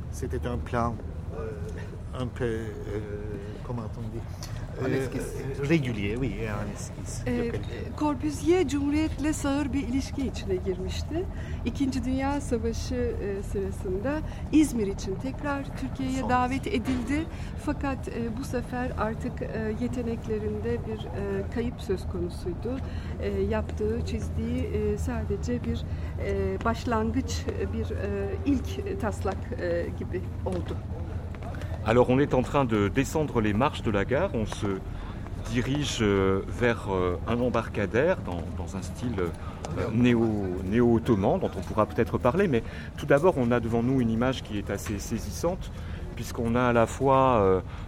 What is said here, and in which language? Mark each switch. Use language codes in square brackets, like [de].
[fr] C'était un plan un peu, comment on dit, régulier, oui, en esquisse. [tr] Corbusier, Cumhuriyet'le sağır bir ilişki içine girmişti. İkinci Dünya Savaşı sırasında İzmir için tekrar Türkiye'ye davet edildi. Fakat bu sefer artık yeteneklerinde bir kayıp söz konusuydu. Yaptığı, çizdiği sadece bir başlangıç, bir ilk taslak gibi oldu. [fr] Alors on est en train de descendre les marches de la gare, on se dirige vers un embarcadère dans un style néo-ottoman dont on pourra peut-être parler, mais tout d'abord on a devant nous une image qui est assez saisissante puisqu'on a à la fois